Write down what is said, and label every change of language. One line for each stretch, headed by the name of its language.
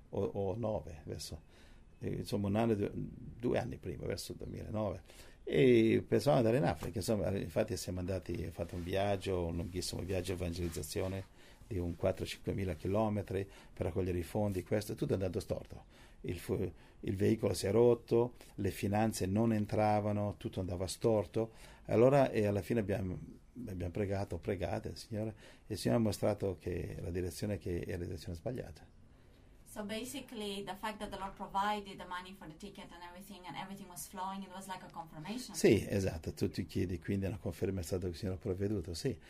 Italian: O 9, verso, insomma un anno, due anni prima, verso il 2009, e pensavamo di andare in Africa, insomma, infatti ho fatto un viaggio, un lunghissimo viaggio di evangelizzazione di un 4-5 mila chilometri per raccogliere i fondi, questo, tutto è andato storto, il veicolo si è rotto, le finanze non entravano, tutto andava storto, allora e alla fine abbiamo pregato, pregate, Signore, e il Signore ha mostrato che la direzione era la direzione sbagliata.
English: So basically, the fact that the Lord provided the money for the ticket and everything was flowing, it was like a confirmation.
Italian: Sì, esatto. Tu ti chiedi, quindi una conferma è stato che il Signore ha provveduto, sì.